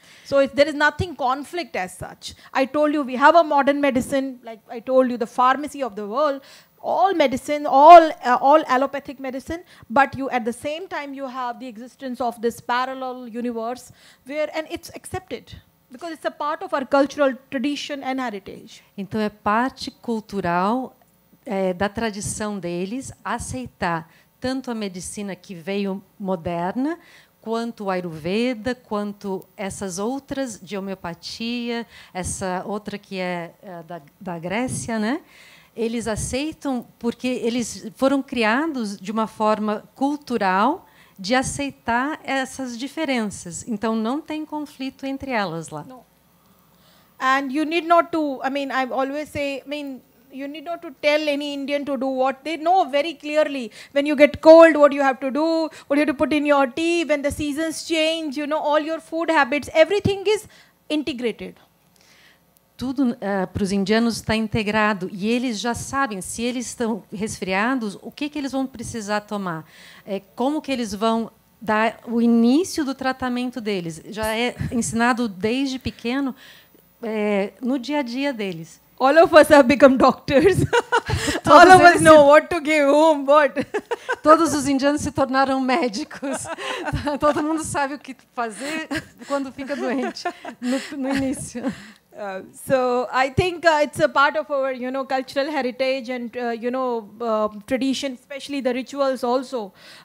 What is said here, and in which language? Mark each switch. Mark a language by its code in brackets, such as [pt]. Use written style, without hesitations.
[en] So there is nothing conflict as such. I told you, we have a modern medicine, like I told you, the pharmacy of the world, all medicine, all allopathic medicine, but you at the same time you have the existence of this parallel universe where, and it's accepted because it's a part of our cultural tradition and heritage. [pt] Então é parte cultural da tradição deles aceitar tanto a medicina que veio moderna quanto o Ayurveda, quanto essas outras de homeopatia, essa outra que é da Grécia, né? Eles aceitam porque eles foram criados de uma forma cultural de aceitar essas diferenças. Então não tem conflito entre elas lá. Não. [en] And you need not to, I mean, I always say, I mean, you need not to tell any Indian to do what. They know very clearly when you get cold, what you have to do, what you have to put in your tea, when the seasons change, you know, all your food habits, everything is integrated. [pt] Tudo para os indianos está integrado. E eles já sabem, se eles estão resfriados, o que, que eles vão precisar tomar. Como que eles vão dar o início do tratamento deles. Já é ensinado desde pequeno no dia a dia deles. [en] All of us have become doctors. All of us know what to give whom, what. [pt] Todos os indianos se tornaram médicos. Todo mundo sabe o que fazer quando fica doente no início. [en] So I think it's a part of our, you know, cultural heritage and you know, tradition, especially the rituals also.